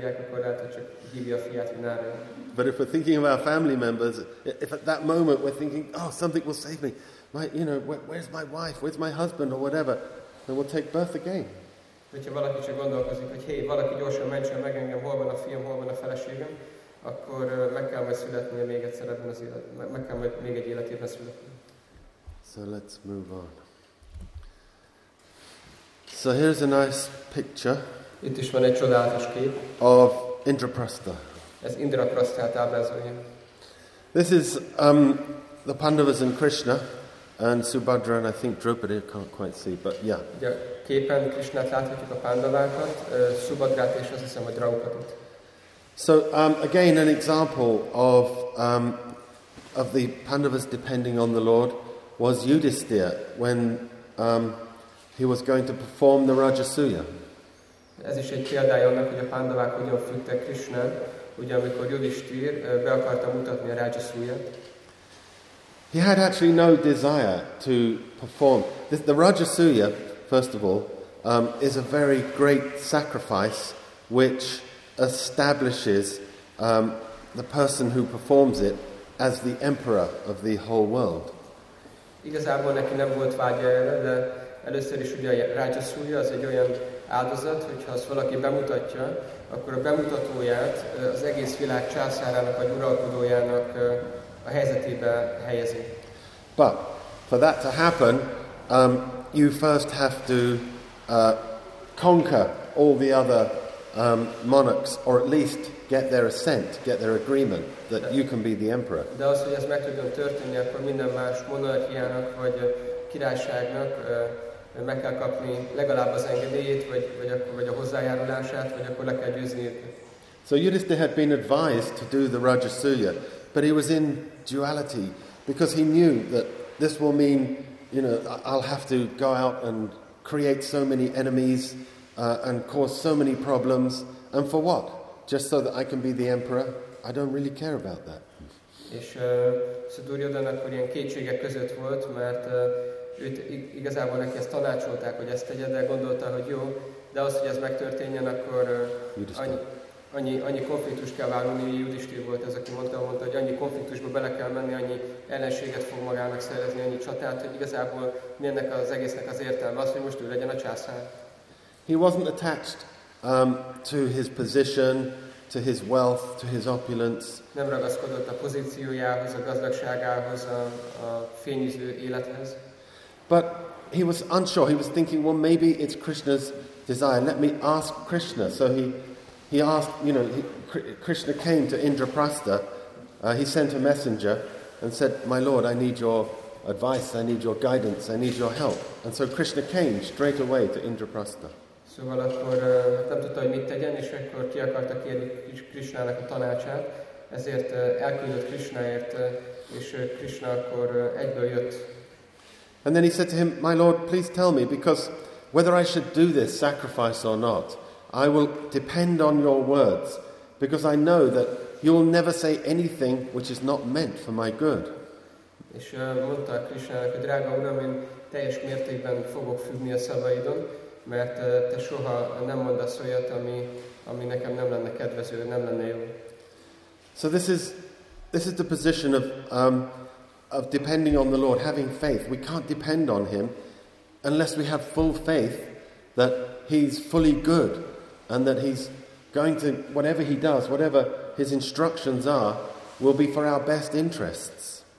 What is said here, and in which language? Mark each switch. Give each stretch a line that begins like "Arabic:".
English: But if we're thinking of our family members, if at that moment we're thinking, "Oh, something will save me. My, you know, where's my wife? Where's my husband?" or whatever, then we'll take birth again.
Hungarian: Hogyha valaki csak gondolkozik, hogy hey, valaki gyorsan mentsen meg engem, hol van a fiam, hol van a feleségem, akkor meg kell majd születnie még egyszer ebben az életben, meg kell majd még egy életében születni.
English: So let's move on. So here's a nice picture.
Hungarian: Itt is van egy csodálatos kép.
English: Of Indraprastha.
Hungarian: Ez Indraprasthát ábrázolja.
English: This is the Pandavas and Krishna. And Subhadra, and I think Draupadi, can't quite see, but yeah.
Hungarian: Képen Krishnát láthatjuk a Pandavákat, Subhadrát és azt hiszem a Draupadit.
English: So again, an example of the Pandavas depending on the Lord was Yudhisthira when he was going to perform the Rajasuya.
Hungarian: Ez is egy példája annak, hogy a Pandavák hogyan függtek Krishnán, ugye amikor Yudhisthir be akarta mutatni a Rajasuyát.
English: He had actually no desire to perform. The Rajasuya, first of all, is a very great sacrifice which establishes the person who performs it as the emperor of the whole world.
Hungarian: Igazából neki nem volt vágya erre, de először is ugye a Rajasuya az egy olyan áldozat, hogyha azt valaki bemutatja, akkor a bemutatóját az egész világ császárának vagy uralkodójának a helyzetébe helyezi.
English: But for that to happen, you first have to conquer all the other monarchs, or at least get their assent, get their agreement that you can be the emperor.
Hungarian: De az, hogy ez meg tudjon történni, akkor minden más monarchiának vagy királyságnak meg kell kapni legalább az engedélyét, vagy a hozzájárulását, vagy akkor le kell győzni őket.
English: So Yudhisthira had been advised to do the Rajasuya, but he was in duality, because he knew that this will mean, you know, I'll have to go out and create so many enemies and cause so many problems, and for what? Just so that I can be the emperor? I don't really care about that.
Hungarian: És Duryodhana akkor ilyen kétsége között volt, mert őt igazából neki ezt tanácsolták, hogy ezt tegye, de gondolta, hogy jó, de az, hogy ez megtörténjen, akkor annyi konfliktus kell válni, Yudhisthira volt ez, aki mondta, hogy annyi konfliktusba bele kell menni, annyi ellenséget fog magának szerezni, annyi csatát, hogy igazából mi ennek az egésznek az értelme az, hogy most ő legyen a császár.
English: He wasn't attached to his position, to his wealth, to his opulence.
Hungarian: Nem ragaszkodott a pozíciójához, a gazdagságához, a fényűző élethez.
English: But he was unsure, he was thinking, well, maybe it's Krishna's desire, let me ask Krishna. So he He asked, you know, Krishna came to Indraprastha. He sent a messenger and said, "My Lord, I need your advice, I need your guidance, I need your help." And so Krishna came straight away to Indraprastha.
Hungarian: Szóval akkor nem tudta, hogy mit tegyen, és akkor ki akarta kérni Krishnának a tanácsát, ezért elküldött Krishnaért, és Krishna akkor egyből jött.
English: And then he said to him, "My Lord, please tell me, because whether I should do this sacrifice or not, I will depend on your words, because I know that you will never say anything which is not meant for my good."
Hungarian: És mondta Krishnának, hogy drága uram, én teljes mértékben fogok függni a szavaidon, mert te soha nem mondasz olyat, ami nekem nem lenne kedvező, nem lenne jó.
English: So this is the position of depending on the Lord, having faith. We can't depend on him unless we have full faith that he's fully good and that he's going to, whatever he does, whatever his instructions are, will be for our best interests.